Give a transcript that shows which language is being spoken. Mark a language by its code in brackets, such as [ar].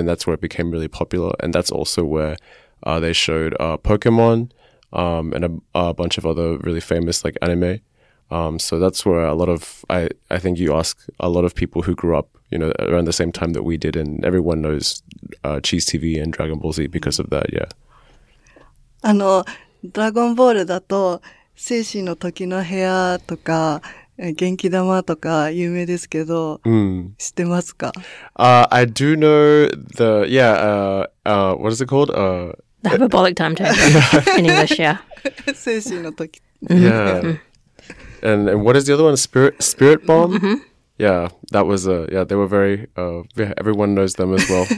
[en] And that's where it became really popular. And that's also where they showed Pokemon and a bunch of other really famous like anime. So that's where a lot of, I think you ask a lot of people who grew up, you know, around the same time that we did, and everyone knows Cheese TV and Dragon Ball Z because of that, yeah. [ja] Dragon Ball だと、精神の時の部屋とか、元気玉とか有名ですけど、知ってますか? [en] I do know the, yeah, what is it called? The hyperbolic time chamber, in English, yeah. [ja] 精神の時。 [en] Yeah. And what is the other one? Spirit Bomb? Mm-hmm. Yeah, that was, yeah, they were very, yeah, everyone knows them as well.